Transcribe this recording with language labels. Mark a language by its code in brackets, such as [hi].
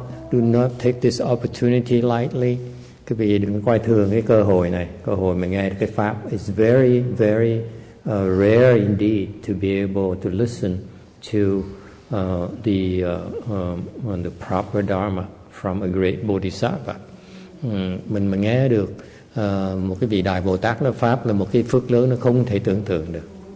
[en] Do not take this opportunity lightly. [vi] Quý vị đừng coi thường cái cơ hội này, cơ hội mình nghe cái pháp. [en] It's very very rare indeed to be able to listen to the proper Dharma from a great Bodhisattva. [vi] Mình mà nghe được một cái vị đại Bồ Tát nói pháp là một cái phước lớn nó không thể tưởng tượng được.